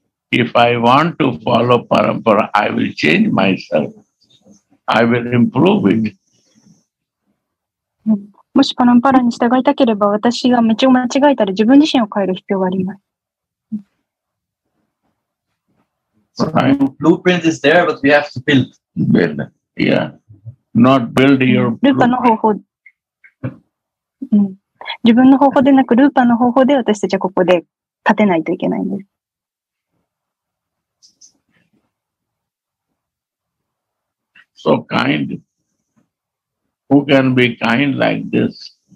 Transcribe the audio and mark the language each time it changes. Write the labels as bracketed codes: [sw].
[en] If I want to follow parampara, I will change myself. I will improve it. [ja] もしパランパラに従いたければ、私が道を間違えたら自分自身を変える必要があります。 [en] Blueprint is there, but we have to build. Build, yeah. Not build your [ja] ルーパの方法、自分の方法でなくルーパの方法で私たちはここで立てないといけないんです。 [en] So kind. Who can be kind like this?